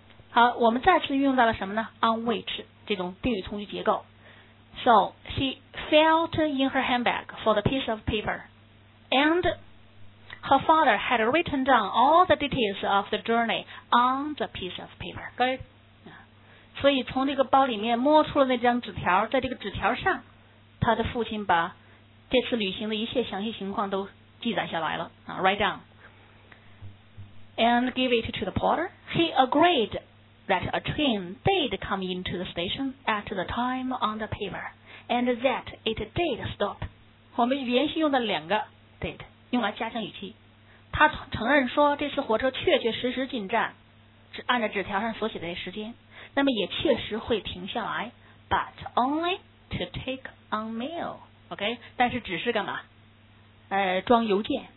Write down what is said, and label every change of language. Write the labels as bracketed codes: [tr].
[zh] 好，我们再次运用到了什么呢 ？On which 这种定语从句结构。 [en] So she felt in her handbag for the piece of paper, and her father had written down all the details of the journey on the piece of paper. Good. [zh] 所以从这个包里面摸出了那张纸条，在这个纸条上，他的父亲把这次旅行的一切详细情况都记载下来了啊 ， write down. [en] And give it to the porter. He agreed. That a train did come into the station at the time on the paper, and that it did stop. [zh] 我们连续用了两个 [en] did [zh] 用来加强语气。他承认说这次火车确确实实进站，只按照纸条上所写的时间，那么也确实会停下来 [en] ，but only to take on mail. [zh] OK， 但是只是干嘛？装邮件。